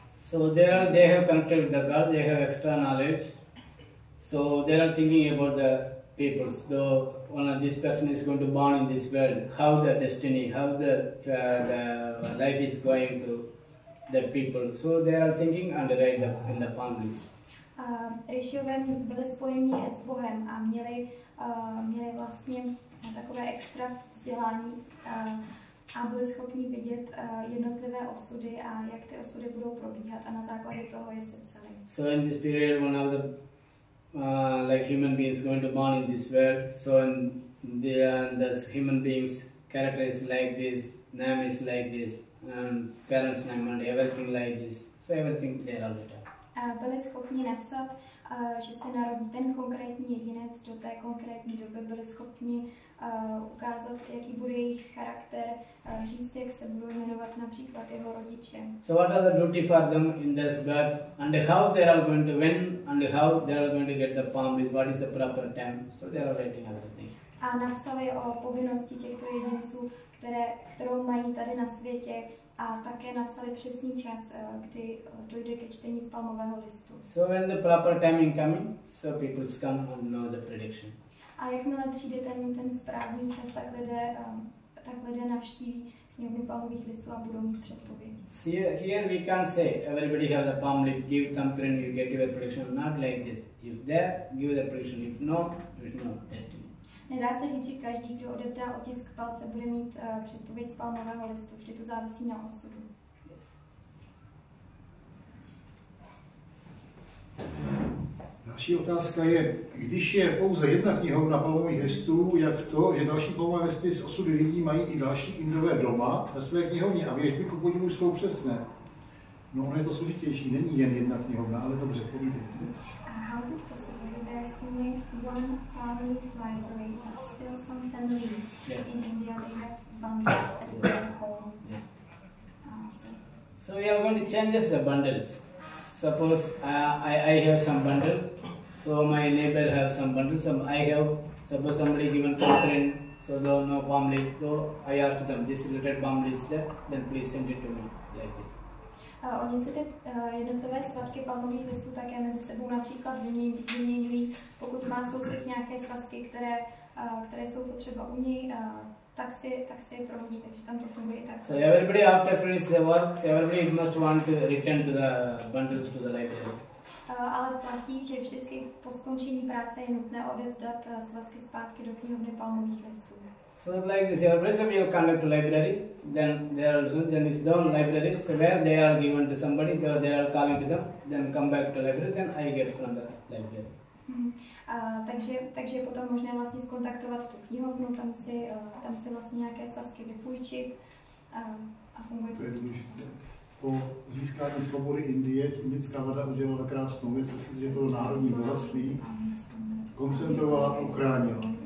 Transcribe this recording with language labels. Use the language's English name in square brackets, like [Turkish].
[English] So they have connected with the gods, they have extra knowledge. So they are thinking about the people. So one of this person is going to born in this world. How the destiny, how the life is going to the people. So they are thinking and write up in the palm leaves. [Czech] Rishiové byli spojení s Bohem a měli vlastně takové extra vzdělání. a byli schopni vidět jednotlivé osudy a jak ty osudy budou probíhat a na základě toho je sepsali. [English] So in this period one of the like human beings going to born in this world, so in the this human beings character is like this, name is like this, parents name and everything like this, so everything clear all the time. [Czech] Byli schopni napsat, že se narodí ten konkrétní jedinec do té konkrétní doby, byli schopni ukázat, jaký bude jejich charakter, říct, jak se budou jmenovat například jeho rodiče. [English] So what are the duty for them in this birth and how they are going to win and how they are going to get the palm is what is the proper time, so they are writing everything. [Czech] A napsali o povinnosti těchto jedinců, kterou mají tady na světě, a také napsali přesný čas, kdy dojde ke čtení z palmového listu. [English] So when the proper timing coming, so people come and know the prediction. [Czech] A jakmile přijde ten správný čas, tak lidé navštíví knihovnu palmových listů a budou mít předpovědi. [English] See, here we can say everybody has a palm leaf, give thumbprint, you get your prediction, not like this. If there, give the prediction, if no, it's no destiny. [Czech] Nedá se říct, že každý, kdo odevzdá otisk palce, bude mít předpověď z palmového listu. Vždy to závisí na osudu. [English] Yes. [Czech] Další otázka je, když je pouze jedna knihovna palmových listů, jak to, že další palmové listy z osudy lidí mají i další indové doma ve své knihovně a věžby po podivu jsou přesné? No, ono je to složitější. Není jen jedna knihovna, ale dobře, povídejte. [English] How's it possible that there's only one family library but still some families yes. in India they have bundles at their home? Yes. So we are going to change the bundles. Suppose I have some bundles, so my neighbor has some bundles, suppose somebody given thumbprint, so there are no palm leaf, so I ask them, this little palm leaf is there, then please send it to me like this. [Czech] Oni se ty jednotlivé svazky palmových listů také mezi sebou například vyměňují. Pokud má soused nějaké svazky, které jsou potřeba u něj, tak si je promění, takže tam to funguje tak. [English] So everybody after finish the work, everybody must want to return to the bundles to the library. [Czech] Ale platí, že vždycky po skončení práce je nutné odevzdat svazky zpátky do knihovny palmových listů. [English] So like this, every time you come to library, then it's down library, so where they are given to somebody, they are calling to them, then come back to library, then I get from the library. Mm-hmm. [Czech] Takže je potom možné vlastně skontaktovat tu knihovnu, tam si vlastně nějaké svazky vypůjčit a funguje to. Po získání svobody Indie, indická vláda udělala krásnou věc, asi že to národní bohatství, koncentrovala a ochránila.